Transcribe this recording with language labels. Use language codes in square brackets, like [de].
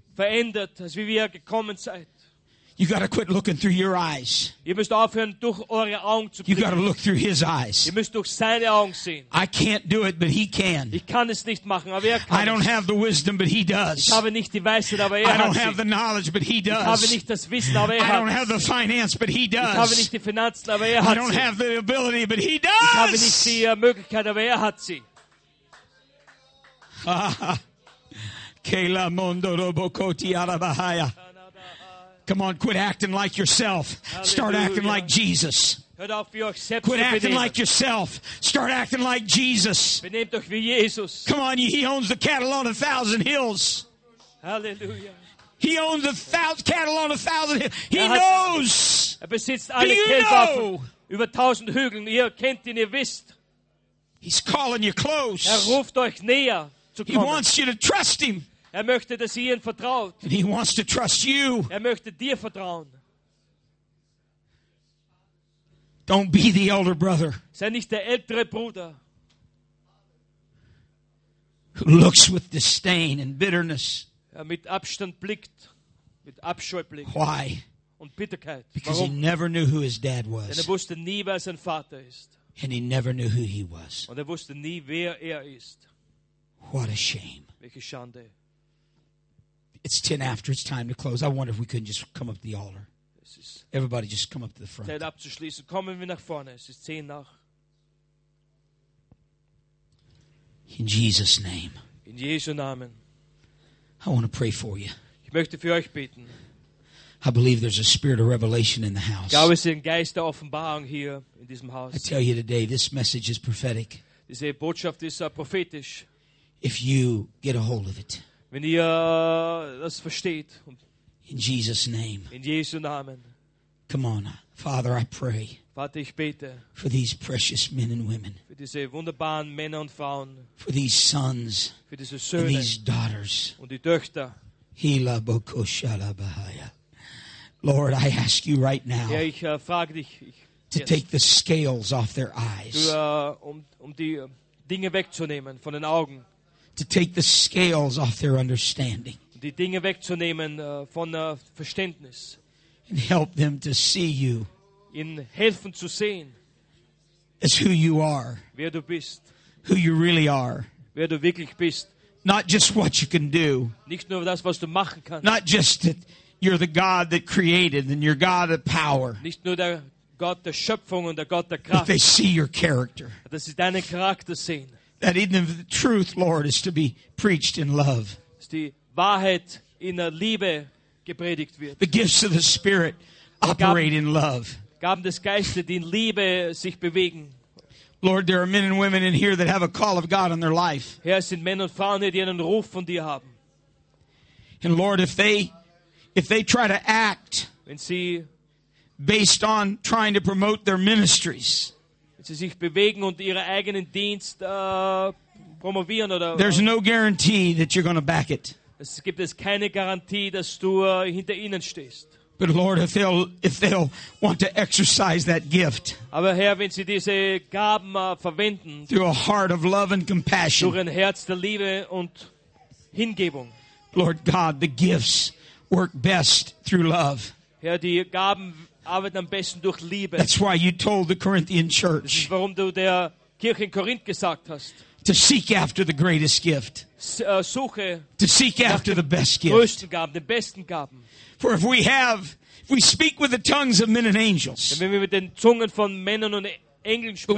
[de] Verändert, als wie wir gekommen seid. [en] You got to quit looking through your eyes. [de] Ihr müsst aufhören, durch eure Augen zu blicken. [en] You got to look through his eyes. [de] Ihr müsst durch seine Augen sehen. [en] I can't do it, but he can. [de] Ich kann es nicht machen, aber er kann. [en] I don't have the wisdom, but he does. [de] Ich habe nicht die Weisheit, aber er [en] hat. I don't have the knowledge, but he does. [de] Ich habe nicht das Wissen, aber er hat. [en] I don't have the finance, but he does. [de] Ich habe nicht die Finanzen, aber er hat. [en] I don't have the ability, but he does. [de] Ich habe nicht die Möglichkeit, aber er hat sie. Kela mondo robokoti arabahaya. [en] Come on, quit acting like yourself. Hallelujah. Start acting like Jesus. [de] Hört auf, wie euch selbst [en] quit [de] zu [en] acting [de] benehmen. [en] Like yourself. Start acting like Jesus. [de] Benehmt euch wie Jesus. [en] Come on, he owns the cattle on a thousand hills. Hallelujah. He owns the cattle on a thousand hills. He knows. [de] Er besitzt alle Kälber über tausend Hügeln. Ihr kennt ihn, ihr wisst. [en] He's calling you close. [de] Er ruft euch näher zu kommen. [en] He wants you to trust him. [de] Er möchte, dass ihr ihn vertraut. [en] And he wants to trust you. [de] Er möchte dir vertrauen. [en] Don't be the elder brother. [de] Sei nicht der ältere Bruder. [en] Who looks with disdain and bitterness. [de] Er mit Abstand blickt, mit Abscheu blickt. [en] Why? [de] Und Bitterkeit. [en] Because [de] warum? [en] He never knew who his dad was. [de] Denn er wusste nie, wer sein Vater ist. [en] And he never knew who he was. [de] Und er wusste nie, wer er ist. [en] What a shame. [de] Welche Schande. [en] It's 10 after, it's time to close. I wonder if we couldn't just come up to the altar. Everybody just come up to the front. [de] Zeit abzuschließen. Kommen wir nach vorne. Es ist 10 nach. [en] In Jesus' name. [de] In Jesu Namen. [en] I want to pray for you. [de] Ich möchte für euch beten. [en] I believe there's a spirit of revelation in the house. [de] Ich glaube, es ist ein Geist der Offenbarung hier in diesem Haus. [en] I tell you today, this message is prophetic. [de] Diese Botschaft ist prophetisch. [en] If you get a hold of it. [de] Wenn ihr das versteht. [en] In Jesus' name. [de] In Jesu Namen. [en] Come on, Father, I pray. [de] Vater, ich bete. [en] For these precious men and women. [de] Für diese wunderbaren Männer und Frauen. [en] For these sons. [de] Für diese Söhne. [en] And these daughters. [de] Und die Töchter. Hila bokoshala bahaya. [en] Lord, I ask you right now. [de] Ja, ich frage dich. [en] To take the scales off their eyes. [de] Um die Dinge wegzunehmen von den Augen. [en] To take the scales off their understanding. [de] Die Dinge wegzunehmen von Verständnis. [en] And help them to see you. [de] Ihnen helfen zu sehen. [en] As who you are. [de] Wer du bist. [en] Who you really are. [de] Wer du wirklich bist. [en] Not just what you can do. [de] Nicht nur das, was du machen kannst. [en] Not just that you're the God that created and you're God of power. [de] Nicht nur der Gott der Schöpfung und der Gott der Kraft. [en] But they see your character. [de] Dass sie deinen Charakter sehen. [en] That even the truth, Lord, is to be preached in love. [de] Die Wahrheit in der Liebe gepredigt wird. [en] The gifts of the Spirit operate in love. [de] Gaben des Geistes, die in Liebe sich bewegen. [en] Lord, there are men and women in here that have a call of God on their life. [de] Herr, es sind Männer und Frauen, die einen Ruf von dir haben. [en] And Lord, if they try to act, [de] wenn sie [en] based on trying to promote their ministries. [de] Wenn sie sich bewegen und ihren eigenen Dienst promovieren oder. [en] There's no guarantee that you're going to back it. [de] Es gibt es keine Garantie, dass du hinter ihnen stehst. [en] But Lord, if they'll want to exercise that gift. [de] Aber Herr, wenn sie diese Gaben verwenden. [en] Through a heart of love and compassion. [de] Durch ein Herz der Liebe und Hingebung. [en] Lord God, the gifts work best through love. [de] Herr, die Gaben arbeiten am besten durch Liebe. [en] That's why you told the Corinthian church. [de] Das ist, warum du der Kirche in Korinth gesagt hast. [en] To seek after the greatest gift. [de] Suche. [en] To seek after the best gift. [de] Größten Gaben, den besten Gaben. [en] For if we speak with the tongues of men and angels. [de] Wenn wir mit den Zungen von Männern und Engeln sprechen.